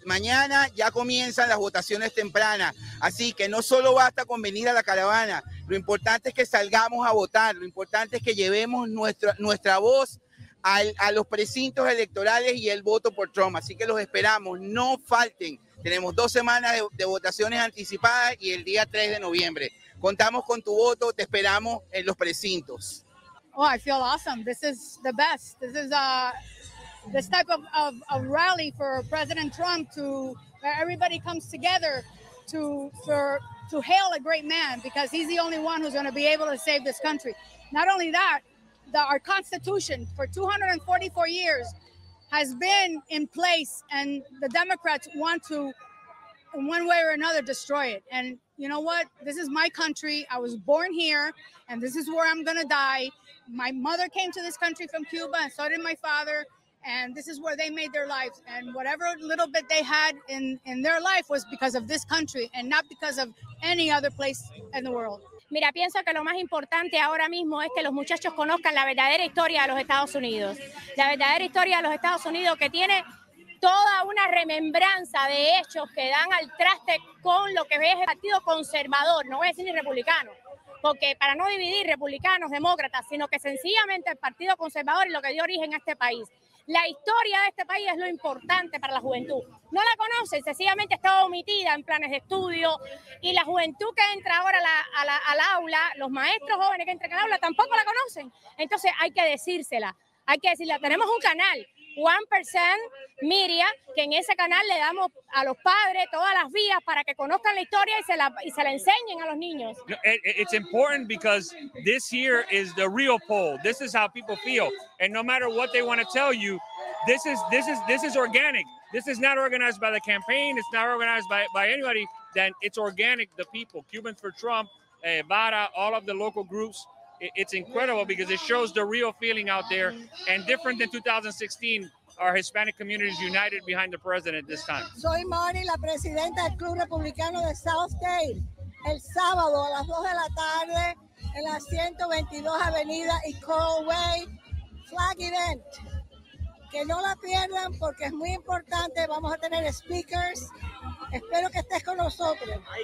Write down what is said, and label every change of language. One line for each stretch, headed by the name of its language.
Spanish: Mañana ya comienzan las votaciones tempranas, así que no solo basta con venir a la caravana, lo importante es que salgamos a votar, lo importante es que llevemos nuestra voz a los precintos electorales y el voto por Trump, así que los esperamos, no falten. Tenemos 2 semanas de votaciones anticipadas y el día 3 de noviembre. Contamos con tu voto, te esperamos en los precintos.
English: Oh, I feel awesome. This is the best. This is this type of rally for President Trump, to where everybody comes together to hail a great man, because he's the only one who's going to be able to save this country. Not only that, our Constitution for 244 years has been in place, and the Democrats want to, in one way or another, destroy it. And you know what? This is my country. I was born here, and this is where I'm going to die. My mother came to this country from Cuba, and so did my father. And this is where they made their lives. And whatever little bit they had in their life was because of this country and not because of any other place in the world.
Spanish: Mira, pienso que lo más importante ahora mismo es que los muchachos conozcan la verdadera historia de los Estados Unidos. La verdadera historia de los Estados Unidos, que tiene toda una remembranza de hechos que dan al traste con lo que es el partido conservador, no voy a decir ni republicano. Porque para no dividir republicanos, demócratas, sino que sencillamente el partido conservador es lo que dio origen a este país. La historia de este país es lo importante para la juventud. No la conocen, sencillamente está omitida en planes de estudio. Y la juventud que entra ahora al aula, los maestros jóvenes que entran al aula, tampoco la conocen. Entonces hay que decírsela. Hay que decirla. Tenemos un canal, 1% Miria, que en ese canal le damos a los padres todas las vías para que conozcan la historia y se la enseñen a los niños.
English: It's important because this year is the real poll. This is how people feel. And no matter what they want to tell you, this is organic. This is not organized by the campaign. It's not organized by anybody. Then it's organic, the people. Cubans for Trump, Vara, all of the local groups. It's incredible because it shows the real feeling out there, and different than 2016, our Hispanic community is united behind the president this time.
Spanish: Soy Mari, la presidenta del Club Republicano de Southdale. El sábado a las 2 de la tarde en la 122 Avenida y Coral Way Flag Event. Que no la pierdan porque es muy importante. Vamos a tener speakers. Espero que estés con nosotros.